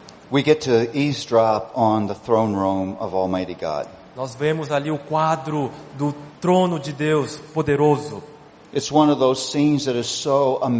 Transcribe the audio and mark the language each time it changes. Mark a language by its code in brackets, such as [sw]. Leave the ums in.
[en] We get to eavesdrop on the throne Almighty God. [pt] Nós vemos ali o quadro do trono de Deus poderoso. [en] It's one of those scenes that is so